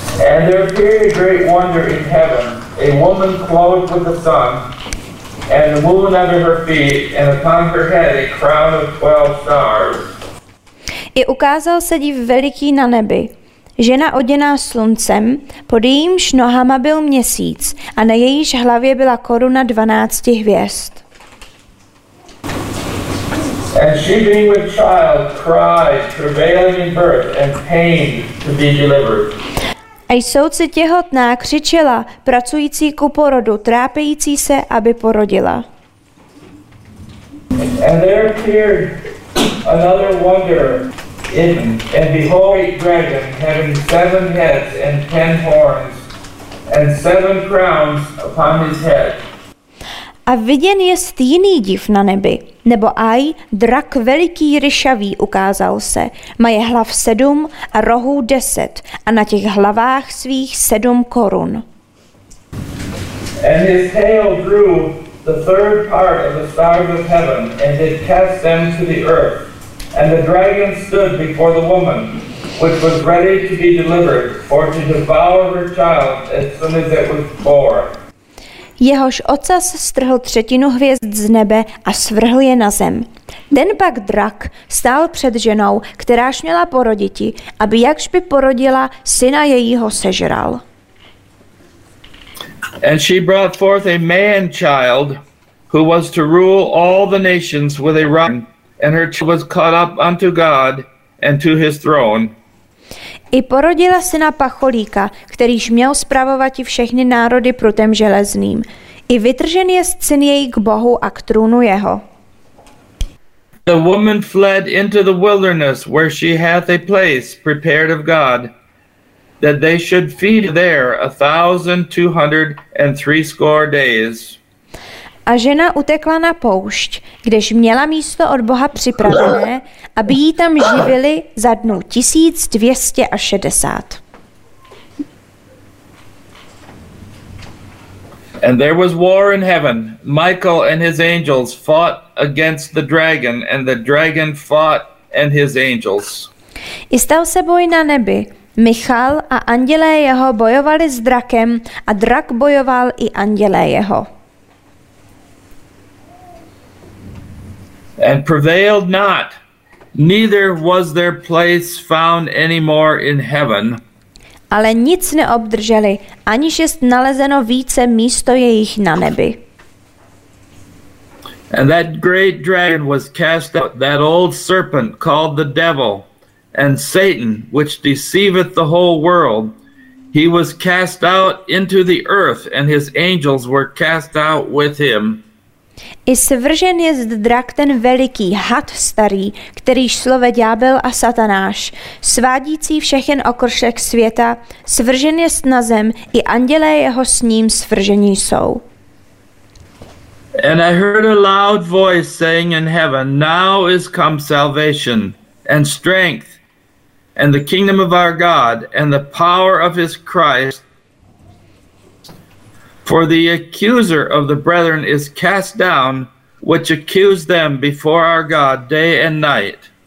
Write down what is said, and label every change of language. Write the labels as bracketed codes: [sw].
[en] And there appeared a great wonder in heaven, a woman clothed with the sun, and a moon under her feet, and upon her head a crown of 12 stars. [cs] I ukázal se div veliký na nebi. Žena oděná sluncem, pod jejímž nohama byl měsíc, a na jejíž hlavě byla koruna 12 hvězd. [en] And she being with child cried, travailing in birth, and pained to be delivered. [cs] A jsouci těhotná křičela, pracující ku porodu, trápející se, aby porodila. [en] And there appeared another wonder in, and behold a dragon having 7 heads and 10 horns and 7 crowns upon his head. [cs] A viděn jest jiný div na nebi, nebo aj drak veliký ryšavý ukázal se. Má je hlav 7 a rohů 10 a na těch hlavách svých 7 korun. [en] And his tail drew the third part of the stars of heaven and did cast them to the earth. And the dragon stood before the woman, which was ready to be delivered, for to devour her child as soon as it was born. [cs] Jehož ocas strhl třetinu hvězd z nebe a svrhl je na zem. Ten pak drak stál před ženou, kteráž měla poroditi, aby jakž by porodila, syna jejího sežral. [en] And she brought forth a man child, who was to rule all the nations with a rod, and her child was caught up unto God and to his throne. [cs] I porodila syna pacholíka, kterýž měl spravovat všechny národy prutem železným. I vytržen jest syn její k Bohu a k trůnu jeho. [en] The woman fled into the wilderness, where she hath a place prepared of God, that they should feed there 1,260 days. [cs] A žena utekla na poušť, kdež měla místo od Boha připravené, aby jí tam živili za dnu 1260. [en] And there was war in heaven. Michael and his angels fought against the dragon, and the dragon fought and his angels. [cs] I stal se boj na nebi. Michal a andělé jeho bojovali s drakem, a drak bojoval i andělé jeho. [en] And prevailed not, neither was their place found any more in heaven. [cs] ale nic neobdrželi, aniž je nalezeno více místo jejich na nebi. [en] And that great dragon was cast out, that old serpent called the devil and Satan, which deceiveth the whole world. He was cast out into the earth, and his angels were cast out with him. [cs] I svržen je drak ten veliký, had starý, kterýž slove ďábel a satanáš, svádící všechen okršek světa, svržen je na zem, i andělé jeho s ním svržení jsou. [en] And I heard a loud voice saying in heaven, now is come salvation and strength and the kingdom of our God and the power of his Christ. For the accuser of the brethren is cast down, which accused them before our God day and night.